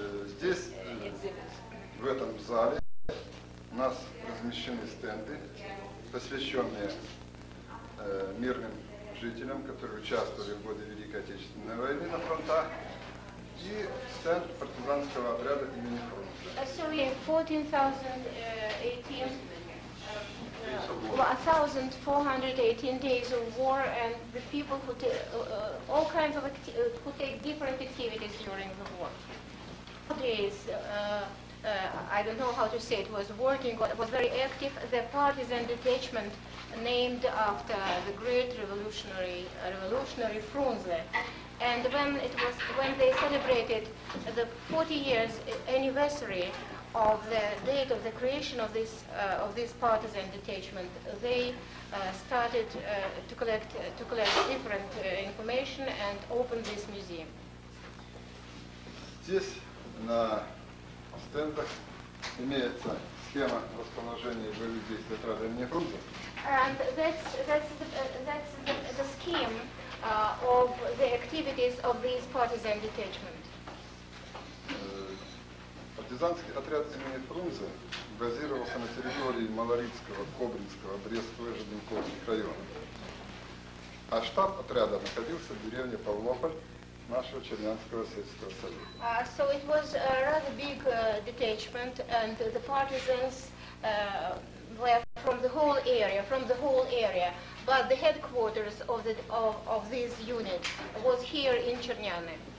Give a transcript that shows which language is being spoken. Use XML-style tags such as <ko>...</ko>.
<ru>Здесь, в этом зале, у нас размещены стенды, посвященные мирным жителям, которые участвовали в годы Великой Отечественной войны на фронтах, и стенд партизанского отряда имени Фрунзе.</ru> <en>So we have 1,418 days of war, and the people who all kinds of who take different activities during the war. Nowadays, I don't know how to say it, was working, but it was very active. The partisan detachment named after the great revolutionary Frunze. And when they celebrated the 40 years anniversary of the date of the creation of this partisan detachment, they started to collect different information and open this museum. Yes, no.</en> <ru>В стендах имеется схема расположения боевых действий отряда имени Фрунзе.</ru> <en>And that's the scheme of the activities of these partisan detachment.</en> <ru>Партизанский отряд имени Фрунзе базировался на территории Малорицкого, Кобринского, Брестского и Жиденковских районов. А штаб отряда находился в деревне Павлополь, нашего Чернянского сельского совета.</ru> <en>So it was a rather big detachment, and the partisans were from the whole area. But the headquarters of this unit was here in Chernyame.</en>